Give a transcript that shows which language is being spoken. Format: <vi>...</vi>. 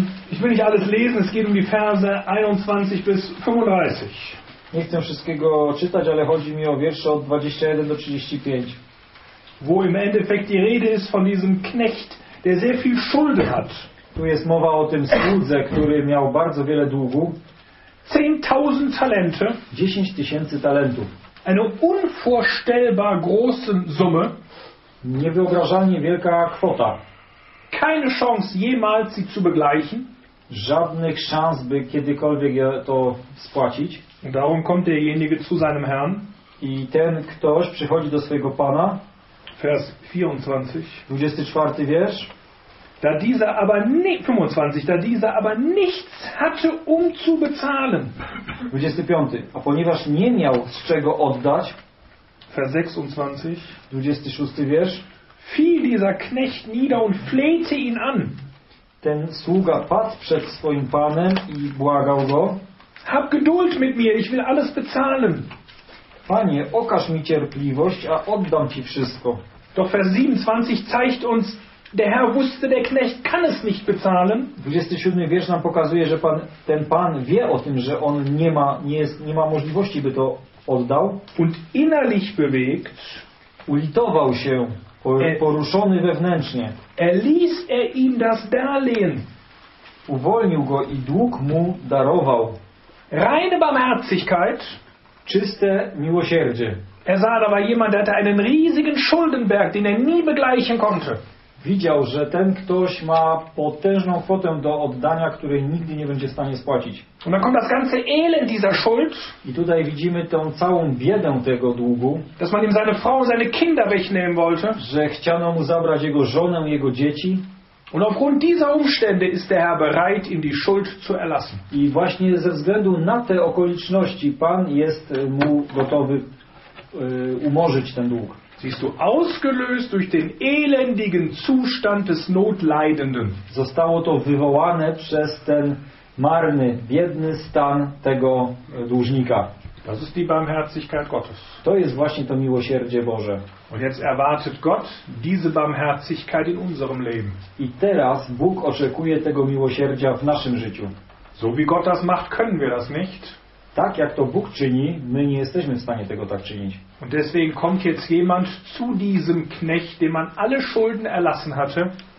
<de>Ich will nicht alles lesen, es geht um die Verse 21 bis 35.</de> <pl>Nie chcę wszystkiego czytać, ale chodzi mi o wiersze od 21 do 35.</pl> <de>Wo im Endeffekt die Rede ist von diesem Knecht, der sehr viel Schulden hat.</de> <pl>Tu jest mowa o tym słudze, który miał bardzo wiele długu.</pl> <de>10.000 Talente.</de> <pl>10 tysięcy talentów.</pl> <de>Eine unvorstellbar große Summe.</de> <pl>Niewyobrażalnie wielka kwota.</pl> <de>Keine Chance jemals sie zu begleichen.</de> <pl>Żadnych szans, by kiedykolwiek to spłacić.</pl> <de>Darum kommt derjenige zu seinem Herrn.</de> <pl>I ten ktoś przychodzi do swojego Pana.</pl> <de>Vers 24.</de> <pl>24 wiersz.</pl> <de>Da dieser aber nicht, 25, da dieser aber nichts hatte, um zu bezahlen.</de> <pl>25. A ponieważ nie miał z czego oddać.</pl> <de>Vers 26.</de> <pl>26 wiersz.</pl> <de>Fiel dieser Knecht nieder und flehte ihn an.</de> <pl>Ten sługa padł przed swoim panem i błagał go.</pl> <de>Hab Geduld mit mir, ich will alles bezahlen.</de> <pl>Panie, okaż mi cierpliwość, a oddam ci wszystko.</pl> <de>Doch Vers 27 zeigt uns, der Herr wusste, der Knecht kann es nicht bezahlen.</de> <pl>27 wiersz nam pokazuje, że ten pan wie o tym, że on nie ma możliwości, by to oddał.</pl> <de>Und innerlich bewegt,</de> <pl>ulitował się, poruszony wewnętrznie.</pl> <de>Erließ er ihm das Darlehen.</de> <pl>Uwolnił go i dług mu darował.</pl> <de>Reine Barmherzigkeit.</de> <pl>Czyste miłosierdzie.</pl> <de>Er sah dabei jemand, der hatte einen riesigen Schuldenberg, den er nie begleichen konnte.</de> <pl>Widział, że ten ktoś ma potężną kwotę do oddania, której nigdy nie będzie w stanie spłacić.</pl> <de>Und dann kommt das ganze Elend dieser Schuld.</de> <pl>I tutaj widzimy tę całą biedę tego długu.</pl> <de>Dass man ihm seine Frau, seine Kinder wegnehmen wollte.</de> <pl>Że chciano mu zabrać jego żonę, jego dzieci.</pl> <de>Und aufgrund dieser Umstände ist der Herr bereit, ihm die Schuld zu erlassen.</de> <pl>I właśnie ze względu na te okoliczności Pan jest mu gotowy umorzyć ten dług.</pl> <de>Siehst du, ausgelöst durch den elendigen Zustand des Notleidenden.</de> <pl>Zostało to wywołane przez ten marny, biedny stan tego dłużnika.</pl> <de>Das ist die Barmherzigkeit Gottes.</de> <pl>To jest właśnie to miłosierdzie Boże.</pl> <de>Und jetzt erwartet Gott diese Barmherzigkeit in unserem Leben.</de> <pl>I teraz Bóg oczekuje tego miłosierdzia w naszym życiu.</pl> <de>So wie Gott das macht, können wir das nicht.</de> <pl>Tak jak to Bóg czyni, my nie jesteśmy w stanie tego tak czynić.</pl> <de>Und deswegen kommt jetzt jemand zu diesem Knecht, dem man alle Schulden erlassen hatte.</de>